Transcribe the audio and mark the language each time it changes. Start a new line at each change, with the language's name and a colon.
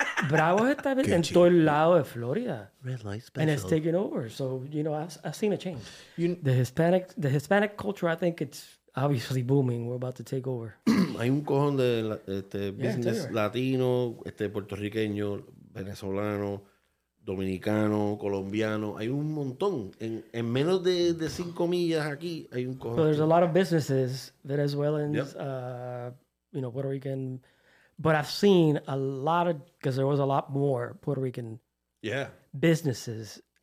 Spanish: Bravo está en todo el lado de Florida.
English: Red light special. And it's taking over. So, you know, I've seen a change. The Hispanic culture, I think it's obviously booming. We're about to take over.
Spanish: Hay un cojón de business latino, puertorriqueño, venezolano, dominicano, colombiano. Hay un montón. En menos de 5 millas aquí hay un cojón.
English: So there's a lot of businesses, Venezuelans, you know, Puerto Rican. But I've seen a lot of, because there was a lot more Puerto Rican businesses